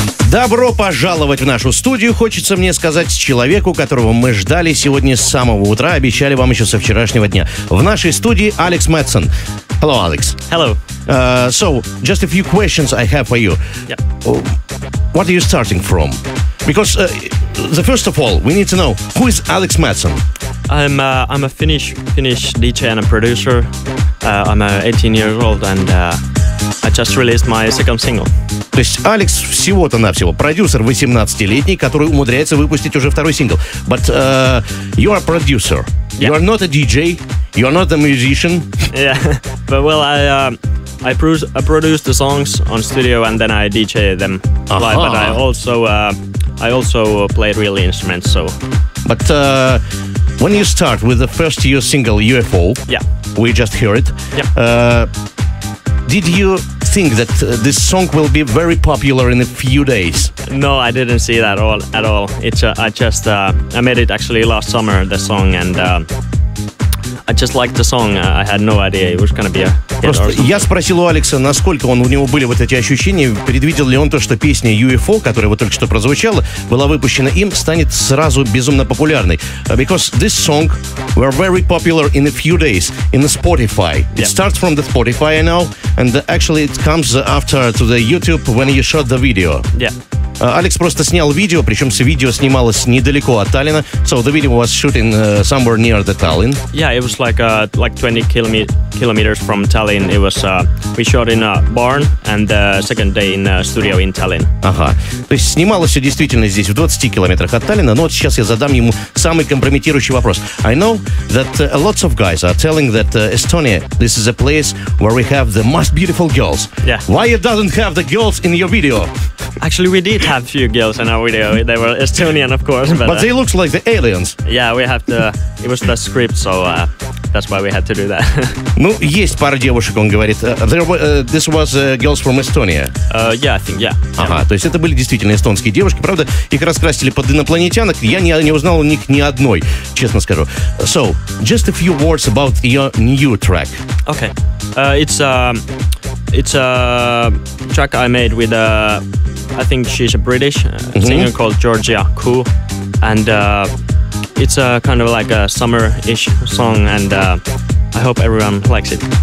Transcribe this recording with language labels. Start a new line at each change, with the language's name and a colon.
Russian: Добро пожаловать в нашу студию, хочется мне сказать, человеку, которого мы ждали сегодня с самого утра, обещали вам еще со вчерашнего дня. В нашей студии Алекс Мэтсон.
English: Hello, Alex. Hello. So, just a few questions I have for you. Yeah. What are you starting from? Because, the first of all, we need to know, who is Alex Mattson? I'm a Finnish DJ and a producer. I'm 18 years old and I just released my second single.
Russian: То есть Алекс всего-то навсего продюсер 18-летний, который умудряется выпустить уже второй сингл.
English: But you are a producer. Yeah. You are not a DJ. You are not a musician. Yeah. But well, I produce the songs on studio and then I DJ them live. Uh-huh. But I also play real instruments. So. But when you start with the first year single UFO. Yeah. We just hear it. Yeah. Did you think that this song will be very popular in a few days? No, I didn't see that at all. I made it actually last summer, the song, and I just liked the song. I had no idea it was going to be a
Russian: Просто я спросил у Алекса, насколько он у него были вот эти ощущения, предвидел ли он то, что песня UFO, которая вот только что прозвучала, была выпущена им, станет сразу безумно популярной.
English: Because this song were very popular in a few days in the Spotify. Yeah. It starts from the Spotify, I know, and actually it comes after to the YouTube when you shot the video. Yeah.
Russian: Алекс просто снял видео, причем видео снималось недалеко от Таллина.
English: So the video was shooting somewhere near the Tallinn. Yeah, it was like 20 kilometers from Tallinn. It was we shot in a barn and the second day in a studio in Tallinn.
Russian: Ага. То есть снималось все действительно здесь, в 20 километрах от Таллина. Но вот сейчас я задам ему самый компрометирующий вопрос.
English: I know that lots of guys are telling that Estonia, this is a place where we have the most beautiful girls. Yeah. Why you doesn't have the girls in your video? Actually, we did have a few girls in our video. They were Estonian, of course. But they looked like the aliens. Yeah, we have to... It was the script, so that's why we had to do that.
Russian: Ну, есть пара девушек, он говорит.
English: This was girls from Estonia. Yeah, I think, yeah.
Russian: Ага, то есть это были действительно эстонские девушки. Правда, их раскрасили под инопланетянок. Я не узнал у них ни одной, честно скажу.
English: So, just a few words about your new track. Okay. It's a track I made with a... I think she's a British singer mm-hmm. called Georgia Ku, and it's a kind of like a summer-ish song, and I hope everyone likes it.